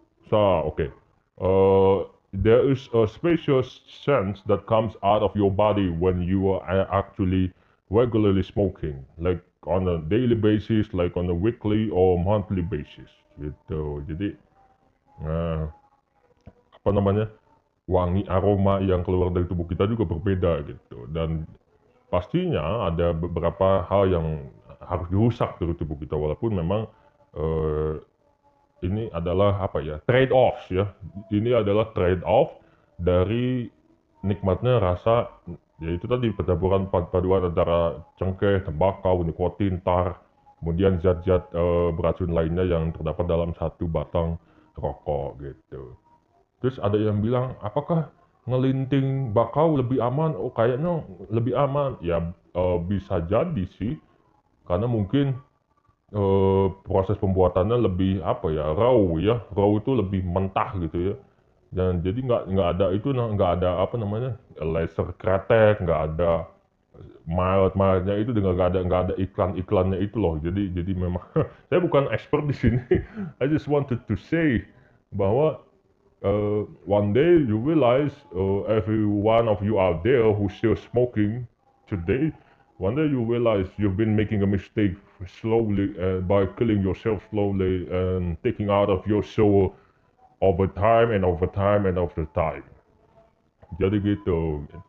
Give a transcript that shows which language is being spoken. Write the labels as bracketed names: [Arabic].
[English] So, okay. There is a special sense that comes out of your body when you are actually regularly smoking, like on a daily basis, like on a weekly or monthly basis. [Indonesian] Gitu. Jadi, apa namanya? Wangi aroma yang keluar dari tubuh kita juga berbeda gitu, dan pastinya ada beberapa hal yang harus dirusak dari tubuh kita, walaupun memang ini adalah apa ya, trade-offs ya, ini adalah trade-off dari nikmatnya rasa, yaitu tadi pencampuran paduan antara cengkeh, tembakau, nikotin, tar, kemudian zat-zat beracun lainnya yang terdapat dalam satu batang rokok gitu. Terus ada yang bilang, apakah ngelinting bakau lebih aman? Oh, kayaknya lebih aman. Ya, bisa jadi sih. Karena mungkin proses pembuatannya lebih apa ya, raw ya, raw itu lebih mentah gitu ya. Dan jadi nggak ada itu, nggak ada apa namanya, laser kretek, nggak ada mild-mildnya itu, dengan nggak ada iklan-iklannya itu loh. Jadi memang saya bukan expert di sini. [English] I just wanted to say bahwa one day you realize every one of you out there who still smoking today, one day you realize you've been making a mistake slowly by killing yourself slowly and taking out of your soul over time and over time and over time. [Indonesian] Jadi gitu.